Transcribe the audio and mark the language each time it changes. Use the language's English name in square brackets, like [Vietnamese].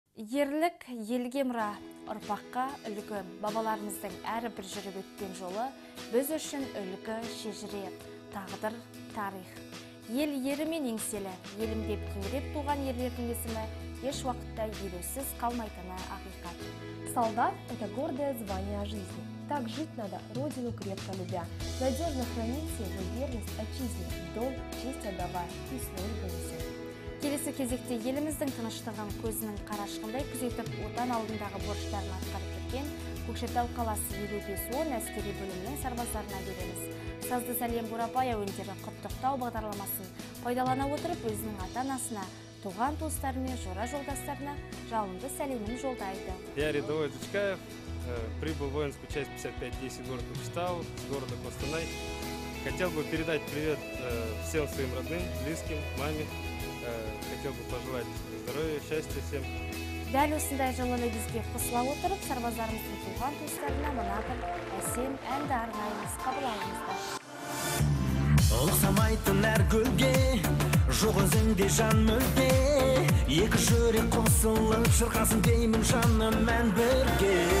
[Kazakh] Ерлік елге мұра, ұрпаққа үлгі. Бабаларымыздың әрі бір жүріп өткен жолы біз үшін үлгі, шежіре, тағдыр, тарих. Ел ерімен еңселі, елім деп кеңіреп туған ерлердің есімі еш уақытта елеусіз қалмайтыны ақиқат. [Russian] Солдат – это гордое звание жизни. Так жить надо, родину крепко любя. Надежно храните, но верность отчизне, долг, честь отдавай и службу несет. [Kazakh] Келесі кезекте еліміздің тыныштығын көзінің қарашығындай күзетіп, отан алдындағы борыштарын атқарып кеткен Көкшетау қаласы 5510 әскери бөлімінің сарбаздарына береміз. Сазды Сәлем Бурабай әуендері құттықтау бағдарламасын пайдалана отырып, өзінің ата-анасына, туған туыстары мен жора жолдастарына жалынды сәлемін жолдайды. [Russian] Я рядовой Дучкаев, прибыл в воинскую часть 5510 город Көкшетау, города Костанай. Хотел бы передать привет всем своим родным, близким, маме. Хотел бы пожелать здоровья, счастья всем. [Kazakh] Дәл осындай жылыны бізге қосыла отырып, сарбаздарымыздың туған туыстарына мына бір әсем әнді арнаймыз. Қабыл алыңыздар. Ұқсамайтын әр гүлге, жоқ өзіңде жан мүлде. Екі жүрек қосылып, шырқасын деймін жаным ән бірге.